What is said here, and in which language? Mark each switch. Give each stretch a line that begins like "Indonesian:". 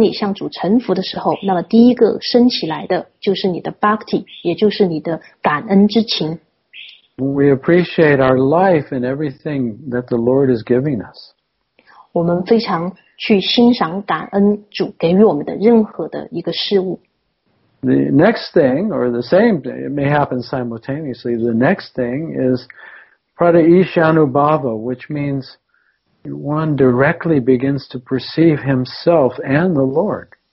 Chinese: 那么当你向主臣服的时候 那么第一个升起来的就是你的bhakti 也就是你的感恩之情
English: We appreciate our life and everything that the Lord is giving us.
Chinese: 我们非常去欣赏感恩主给予我们的任何的一个事物。
English: The next thing, or the same thing, it may happen simultaneously, the next thing is Pratishyanubhava, which means one directly begins to perceive himself and the Lord.